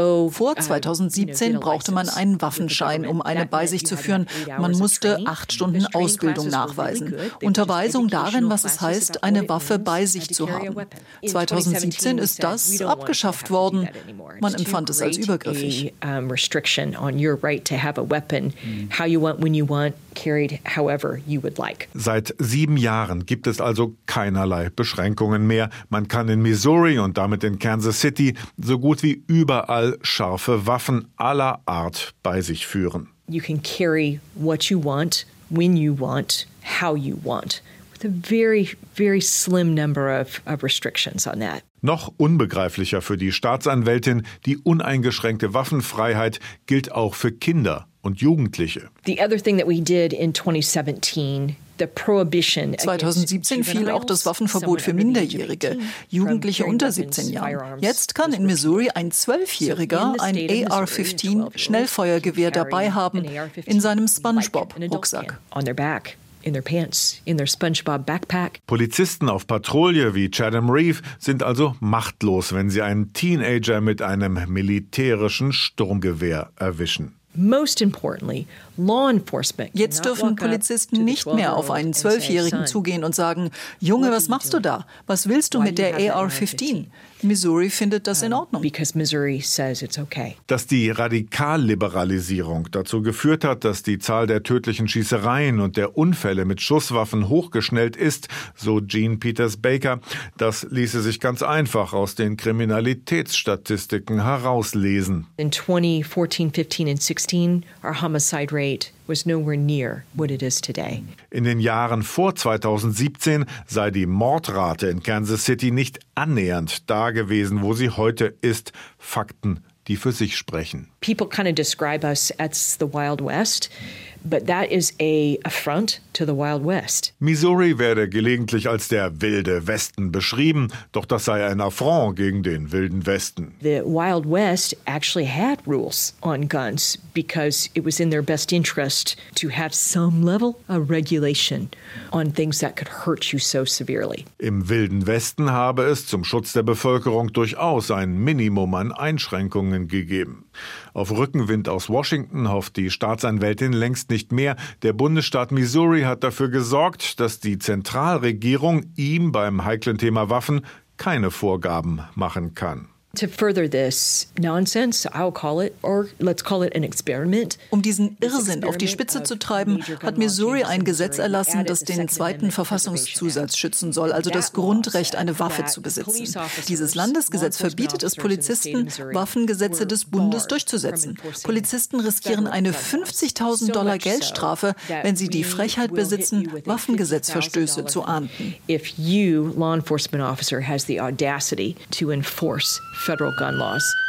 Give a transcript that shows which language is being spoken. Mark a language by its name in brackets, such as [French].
[German] Vor 2017 brauchte man einen Waffenschein, um eine bei sich zu führen. Man musste 8 Stunden Ausbildung nachweisen. Unterweisung darin, was es heißt, eine Waffe bei sich zu haben. 2017 ist das abgeschafft worden. Man empfand es als übergriffig. [English] Restriction on your right to have a weapon, how you want, when you want. Carried however you would like. [German] Seit 7 Jahren gibt es also keinerlei Beschränkungen mehr. Man kann in Missouri und damit in Kansas City so gut wie überall scharfe Waffen aller Art bei sich führen. [English] You can carry what you want, when you want, how you want. With a very, very slim number of restrictions on that. [German] Noch unbegreiflicher für die Staatsanwältin, die uneingeschränkte Waffenfreiheit gilt auch für Kinder und Jugendliche. [English] The other thing that we did in 2017, the prohibition. [German] 2017 fiel auch das Waffenverbot für Minderjährige, Jugendliche unter 17 Jahren. Jetzt kann in Missouri ein 12-Jähriger ein AR-15 Schnellfeuergewehr dabei haben in seinem SpongeBob-Rucksack. [English] On their back. In their pants, in their SpongeBob backpack. [German] Polizisten auf Patrouille wie Chatham Reef sind also machtlos, wenn sie einen Teenager mit einem militärischen Sturmgewehr erwischen. [English] Most importantly, law enforcement. [German] Jetzt dürfen Polizisten nicht mehr auf einen 12-Jährigen zugehen und sagen, Junge, was machst du da? Was willst du mit der AR-15? Missouri findet das in Ordnung. [English] Because Missouri says it's okay. [German] Dass die Radikalliberalisierung dazu geführt hat, dass die Zahl der tödlichen Schießereien und der Unfälle mit Schusswaffen hochgeschnellt ist, so Gene Peters Baker, das ließe sich ganz einfach aus den Kriminalitätsstatistiken herauslesen. [English] In 2014, [German] 15 und 16, [English] our homicide rate was nowhere near what it is today. [German] In den Jahren vor 2017 sei die Mordrate in Kansas City nicht annähernd da gewesen, wo sie heute ist. Fakten, die für sich sprechen. [English] People kind of describe us as the Wild West, but that is a affront to the Wild West. [German] Missouri werde gelegentlich als der wilde Westen beschrieben, doch das sei ein Affront gegen den wilden Westen. [English] The Wild West actually had rules on guns because it was in their best interest to have some level of regulation on things that could hurt you so severely. [German] Im wilden Westen habe es zum Schutz der Bevölkerung durchaus ein Minimum an Einschränkungen gegeben. Auf Rückenwind aus Washington hofft die Staatsanwältin längst nicht mehr. Der Bundesstaat Missouri hat dafür gesorgt, dass die Zentralregierung ihm beim heiklen Thema Waffen keine Vorgaben machen kann. [English] To further this nonsense, I'll call it, or let's call it an experiment. [German] Um diesen Irrsinn auf die Spitze zu treiben, hat Missouri ein Gesetz erlassen, das den zweiten Verfassungszusatz schützen soll, also das Grundrecht, eine Waffe zu besitzen. Dieses Landesgesetz verbietet es Polizisten, Waffengesetze des Bundes durchzusetzen. Polizisten riskieren eine $50,000 Geldstrafe, wenn sie die Frechheit besitzen, Waffengesetzverstöße zu ahnden. [English] If you, law enforcement officer, has the audacity to enforce federal gun laws.